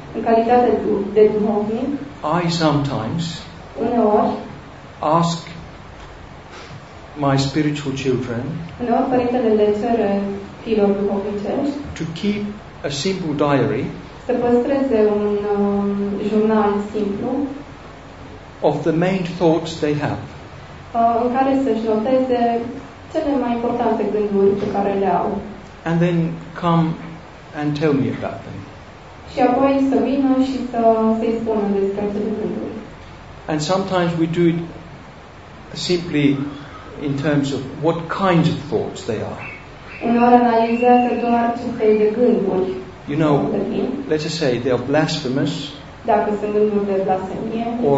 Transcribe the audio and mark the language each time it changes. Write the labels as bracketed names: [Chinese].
[Romanian] în calitate de duhovnic, [English] I sometimes [Romanian] uneori [English] ask my spiritual children [Romanian] uneori părintele le cere fiilor duhovnicești [English] to keep a simple diary [Romanian] să păstreze un jurnal simplu [English] of the main thoughts they have. [Romanian] În care să-și noteze cele mai importante gânduri pe care le au. [English] And then come and tell me about them. [Romanian] Și apoi să vină și să-i spună despre acele gânduri. [English] And sometimes we do it simply in terms of what kinds of thoughts they are. [Romanian] Uneori analizează doar ce fel de gânduri. [English] You know, let's just say they are blasphemous. [Romanian] Dacă sunt gânduri de blasfemie.